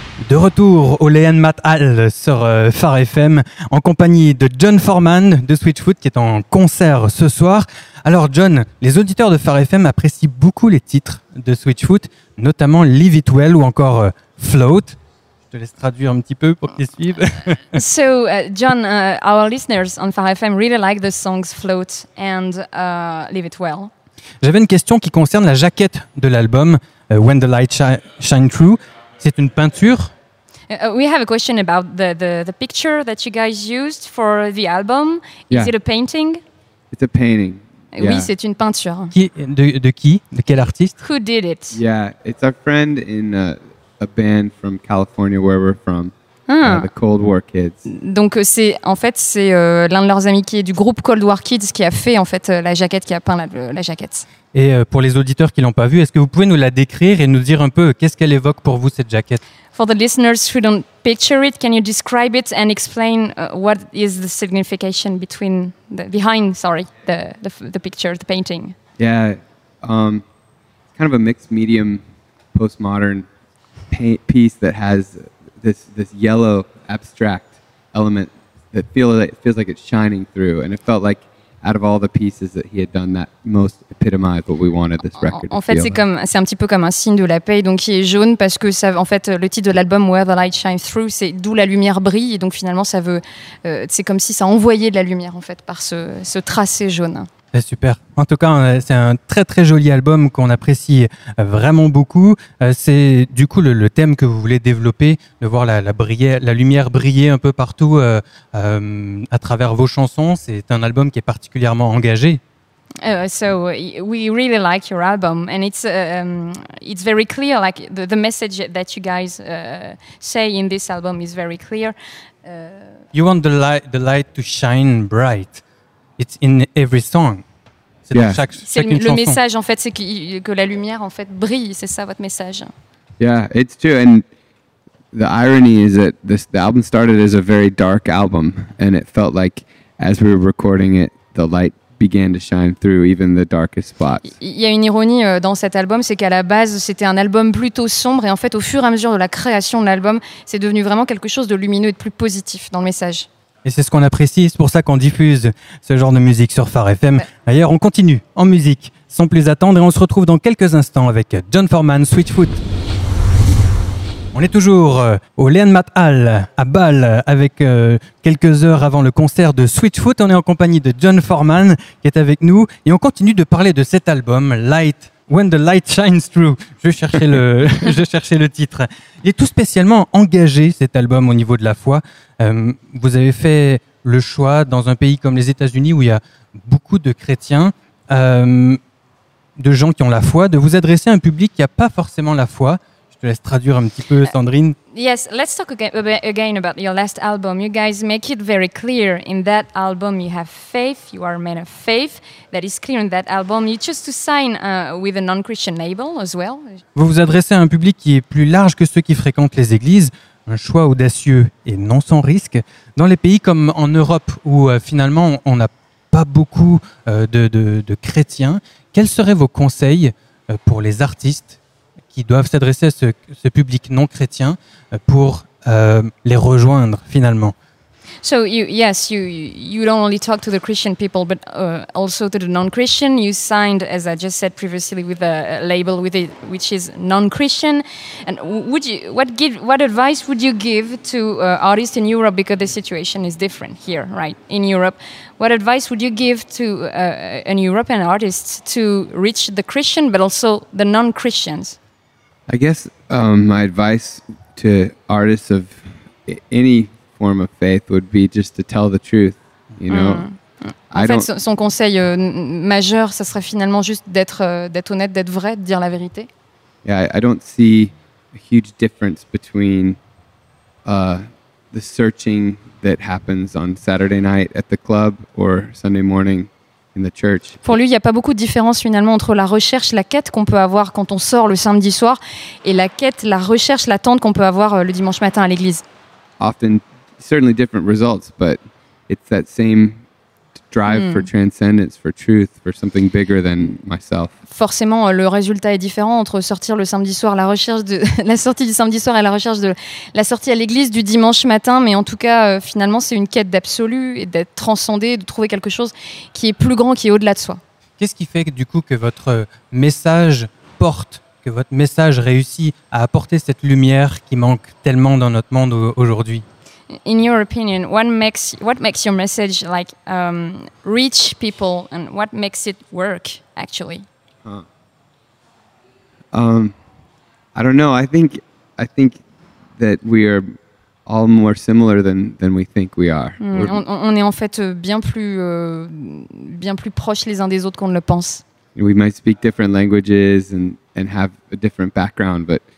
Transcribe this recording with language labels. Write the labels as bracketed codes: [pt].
[fr] De retour au Leanmat Hall sur Phare FM en compagnie de John Foreman de Switchfoot qui est en concert ce soir. Alors John, les auditeurs de Phare FM apprécient beaucoup les titres de Switchfoot, notamment Leave It Well ou encore Float. Je laisse traduire un petit peu pour qu'ils suivent. [en] So, John, our listeners on Phare FM really like the songs Float and Leave It Well. [fr] J'avais une question qui concerne la jaquette de l'album, When the Light Shine Through. C'est une peinture. [en] We have a question about the picture that you guys used for the album. Is it a painting? It's a painting. [fr] Yeah. Oui, c'est une peinture. De qui? De quel artiste? [en] Who did it? Yeah, it's our friend in a band from California, where we're from, the Cold War Kids. [fr] Donc c'est l'un de leurs amis qui est du groupe Cold War Kids qui a fait en fait la jaquette, qui a peint la jaquette. Et pour les auditeurs qui l'ont pas vue, est-ce que vous pouvez nous la décrire et nous dire un peu qu'est-ce qu'elle évoque pour vous cette jaquette? [en] For the listeners who don't picture it, can you describe it and explain what is the signification behind the picture, the painting? Yeah, kind of a mixed medium, postmodern piece that has this yellow abstract element that feels like it's shining through, and it felt like out of all the pieces that he had done that most epitomized what we wanted this record to feel. [fr] C'est un petit peu comme un signe de la paix, donc qui est jaune parce que ça, en fait le titre de l'album Where the Light Shines Through, c'est d'où la lumière brille, et donc finalement ça veut c'est comme si ça envoyait de la lumière en fait par ce tracé jaune. Super. En tout cas, c'est un très très joli album qu'on apprécie vraiment beaucoup. C'est du coup le thème que vous voulez développer, de voir la lumière briller un peu partout à travers vos chansons. C'est un album qui est particulièrement engagé. [en] So we really like your album, and it's very clear. Like the message that you guys say in this album is very clear. You want the light to shine bright. It's in every song. [fr] C'est yeah. Chaque chanson. Le message, en fait, c'est que la lumière, en fait, brille. C'est ça votre message. [en] Yeah, it's true. And the irony is that the album started as a very dark album, and it felt like as we were recording it, the light began to shine through even the darkest spots. [fr] Il y a une ironie dans cet album, c'est qu'à la base c'était un album plutôt sombre, et en fait, au fur et à mesure de la création de l'album, c'est devenu vraiment quelque chose de lumineux et de plus positif dans le message. Et c'est ce qu'on apprécie, c'est pour ça qu'on diffuse ce genre de musique sur Phare FM. D'ailleurs, on continue en musique, sans plus attendre, et on se retrouve dans quelques instants avec John Foreman, Switchfoot. On est toujours au Leanmat Hall, à Bâle, avec quelques heures avant le concert de Switchfoot. On est en compagnie de John Foreman, qui est avec nous, et on continue de parler de cet album, Light, When the Light Shines Through. Je cherchais le titre. Il est tout spécialement engagé, cet album, au niveau de la foi. Vous avez fait le choix, dans un pays comme les États-Unis, où il y a beaucoup de chrétiens, de gens qui ont la foi, de vous adresser à un public qui n'a pas forcément la foi. Je te laisse traduire un petit peu, Sandrine. [en] Yes, let's talk again about your last album. You guys make it very clear. In that album, you have faith. You are a man of faith. That is clear in that album. You choose to sign with a non-Christian label as well. [fr] Vous vous adressez à un public qui est plus large que ceux qui fréquentent les églises. Un choix audacieux et non sans risque. Dans les pays comme en Europe, où finalement, on n'a pas beaucoup de chrétiens, quels seraient vos conseils pour les artistes qui doivent s'adresser à ce public non chrétien pour les rejoindre finalement. [en] So you don't only talk to the Christian people but also to the non-Christian. You signed, as I just said previously, with a label with it which is non-Christian. And what advice would you give to artists in Europe, because the situation is different here, right? In Europe, what advice would you give to an European artist to reach the Christian but also the non-Christians? I guess my advice to artists of any form of faith would be just to tell the truth, you know. [fr] Son conseil majeur, ça serait finalement juste d'être honnête, d'être vrai, de dire la vérité. [en] Yeah, I don't see a huge difference between the searching that happens on Saturday night at the club or Sunday morning. In the church. [fr] Pour lui, il n'y a pas beaucoup de différence finalement entre la recherche, la quête qu'on peut avoir quand on sort le samedi soir et la quête, la recherche, l'attente qu'on peut avoir le dimanche matin à l'église. [en] Often, certainly different results, but it's that same drive for transcendence, for truth, for something bigger than myself. [fr] Forcément, le résultat est différent entre sortir le samedi soir, la recherche de la sortie du samedi soir et la recherche de la sortie à l'église du dimanche matin. Mais en tout cas, finalement, c'est une quête d'absolu et d'être transcendé, de trouver quelque chose qui est plus grand, qui est au-delà de soi. Qu'est-ce qui fait du coup que votre message porte, que votre message réussit à apporter cette lumière qui manque tellement dans notre monde aujourd'hui? [en] In your opinion, what makes your message like reach people, and what makes it work actually? I don't know. I think that we are all more similar than we think we are. [fr] On est en fait bien plus proches les uns des autres qu'on ne le pense. [en] We might speak different languages and have a different background, but